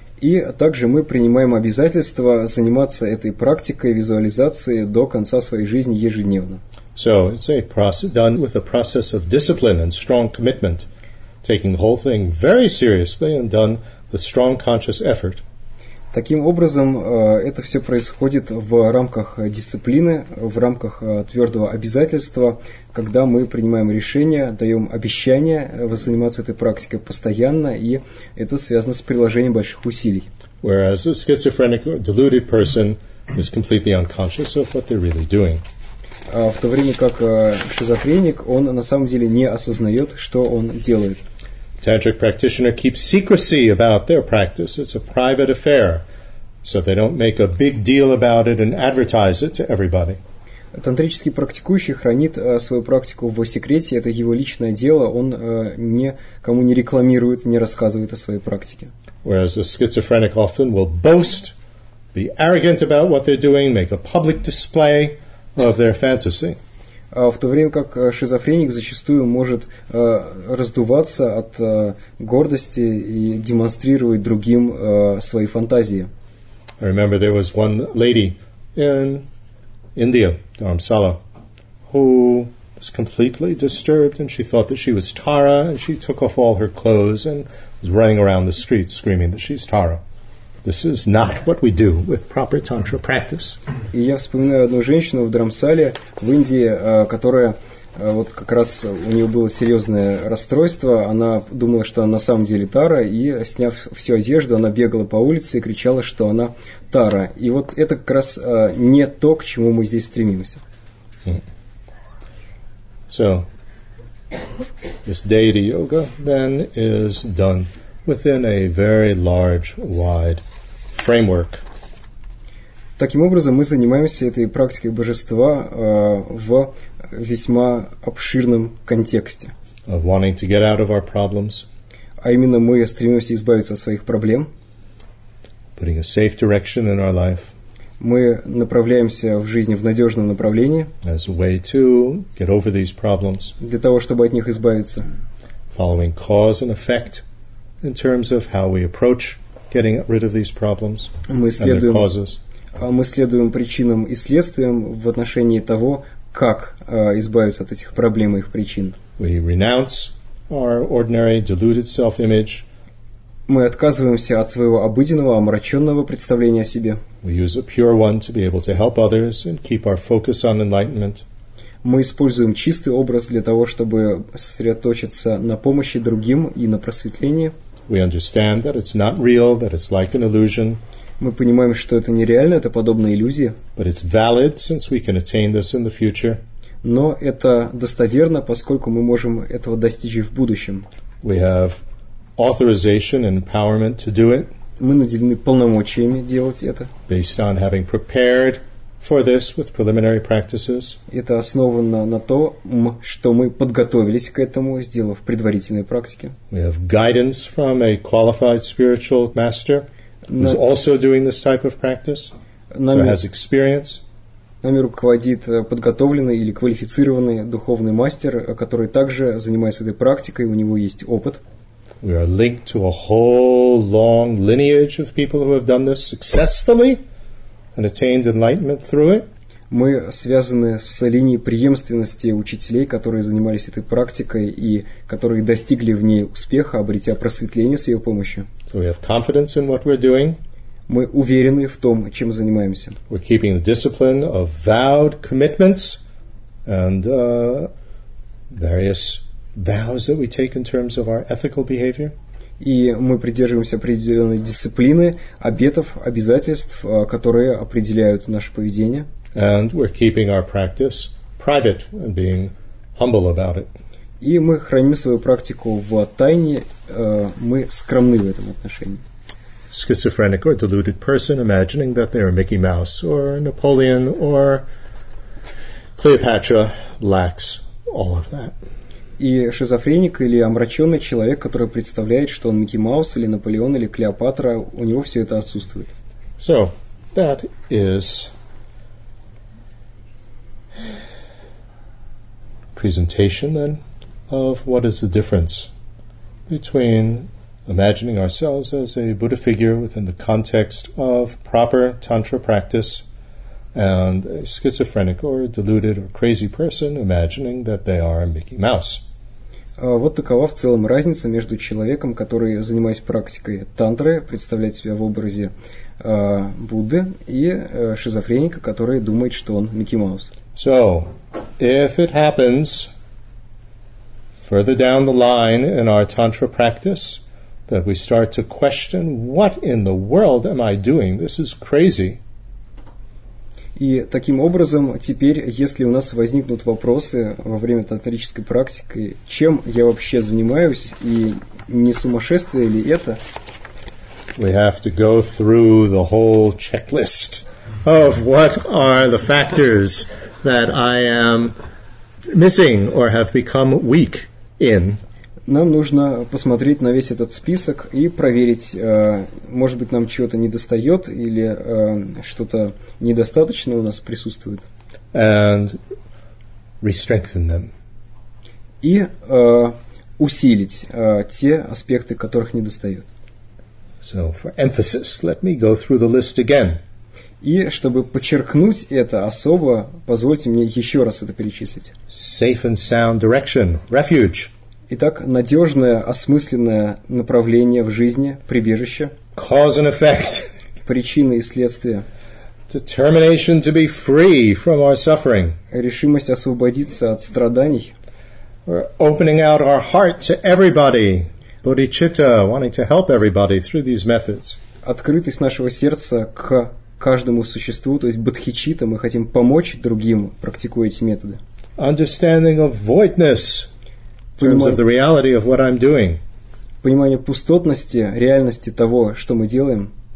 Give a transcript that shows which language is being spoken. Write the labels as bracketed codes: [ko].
[ru] И также мы принимаем обязательство заниматься этой практикой визуализации до конца своей жизни ежедневно. [en] So it's a process done with a process of discipline and strong commitment, taking the whole thing very seriously and done with strong conscious effort. [ru] Таким образом, это все происходит в рамках дисциплины, в рамках твердого обязательства, когда мы принимаем решение, даем обещание заниматься этой практикой постоянно, и это связано с приложением больших усилий. [en] Whereas a schizophrenic or deluded person is completely unconscious of what they're really doing. [ru] В то время как шизофреник, он на самом деле не осознает, что он делает. [en] Tantric practitioner keeps secrecy about their practice. It's a private affair, so they don't make a big deal about it and advertise it to everybody. [ru] Тантрический практикующий хранит свою практику в секрете. Это его личное дело. Он никому не рекламирует, не рассказывает о своей практике. [en] Whereas a schizophrenic often will boast, be arrogant about what they're doing, make a public display of their fantasy. [ru] В то время как шизофреник зачастую может раздуваться от гордости и демонстрировать другим свои фантазии. [en] I remember there was one lady in India, Dharamsala, who was completely disturbed, and she thought that she was Tara, and she took off all her clothes and was running around the streets screaming that she's Tara. This is not what we do with proper tantra practice. [ru] И я вспоминаю одну женщину в Драмсале в Индии, которая вот как раз у нее было серьезное расстройство. Она думала, что она на самом деле Тара, и, сняв всю одежду, она бегала по улице и кричала, что она Тара. И вот это как раз не то, к чему мы здесь стремимся. [en] So, this deity yoga then is done within a very large, wide framework. [ru] Таким образом, мы занимаемся этой практикой божества в весьма обширном контексте. [en] Of wanting to get out of our problems. [ru] А именно, мы стремимся избавиться от своих проблем. [en] Putting a safe direction in our life. [ru] Мы направляемся в жизни в надежном направлении. [en] As a way to get over these problems. [ru] Для того, чтобы от них избавиться. [en] Following cause and effect in terms of how we approach getting rid of these problems and their causes. [ru] Мы следуем причинам и следствиям в отношении того, как избавиться от этих проблем и их причин. [en] We renounce our ordinary deluded self-image. [ru] Мы отказываемся от своего обыденного, омраченного представления о себе. [en] We use a pure one to be able to help others and keep our focus on enlightenment. [ru] Мы используем чистый образ для того, чтобы сосредоточиться на помощи другим и на просветлении. [en] We understand that it's not real, that it's like an illusion. [ru] Мы понимаем, что это нереально, это подобная иллюзия. [en] But it's valid, since we can attain this in the future. [ru] Но это достоверно, поскольку мы можем этого достичь и в будущем. [en] We have authorization and empowerment to do it. [ru] Мы наделены полномочиями делать это. [en] Based on having prepared for this with preliminary practices. [ru] Это основано на том, что мы подготовились к этому, сделав предварительные практики. [en] We have guidance from a qualified spiritual master. Who's also doing this type of practice, [ru] нами, [en] so has experience. [ru] Нами руководит подготовленный или квалифицированный духовный мастер, который также занимается этой практикой, у него есть опыт. [en] We are linked to a whole long lineage of people who have done this successfully and attained enlightenment through it. [ru] Мы связаны с линией преемственности учителей, которые занимались этой практикой и которые достигли в ней успеха, обретя просветление с ее помощью. [en] So we have confidence in what we're doing. [ru] Мы уверены в том, чем занимаемся. [en] We're keeping the discipline of vowed commitments and various vows that we take in terms of our ethical behavior. [ru] И мы придерживаемся определенной дисциплины, обетов, обязательств, которые определяют наше поведение. [en] And we're keeping our practice private and being humble about it. [ru] И мы храним свою практику в тайне, мы скромны в этом отношении. [en] Schizophrenic or deluded person imagining that they are Mickey Mouse or Napoleon or Cleopatra lacks all of that. [ru] И шизофреник или омраченный человек, который представляет, что он Микки Маус или Наполеон или Клеопатра, у него все это отсутствует. [en] So, that is presentation then of what is the difference between imagining ourselves as a Buddha figure within the context of proper tantra practice and a schizophrenic or deluded or crazy person imagining that they are Mickey Mouse. [ru] Вот такова в целом разница между человеком, который, занимаясь практикой тантры, представляет себя в образе Будды, и шизофреника, который думает, что он Микки Маус. [en] So, if it happens further down the line in our tantra practice that we start to question, what in the world am I doing? This is crazy. [ru] И таким образом, теперь, если у нас возникнут вопросы во время тантрической практики, чем я вообще занимаюсь и не сумасшествие ли это? [en] We have to go through the whole checklist of what are the factors that I am missing or have become weak in. [ru] Нам нужно посмотреть на весь этот список и проверить, может быть, нам чего-то недостает или что-то недостаточно у нас присутствует. [en] And re-strengthen them. [ru] И усилить те аспекты, которых недостает. [en] So, for emphasis, let me go through the list again. [ru] И чтобы подчеркнуть это особо, позвольте мне еще раз это перечислить. [en] Safe and sound direction, refuge. [ru] Итак, надежное, осмысленное направление в жизни, прибежище. [en] Cause and effect. [ru] Причины и следствия. [en] Determination to be free from our suffering. [ru] Решимость освободиться от страданий. [en] We're opening out our heart to everybody. Bodhicitta, wanting to help everybody through these methods. [ru] Открытость нашего сердца к каждому существу, то есть бодхичитта, мы хотим помочь другим, практикуя эти методы. [en] Understanding of voidness in terms of the reality of what I'm doing. [ru] Понимание пустотности, реальности того, что мы делаем.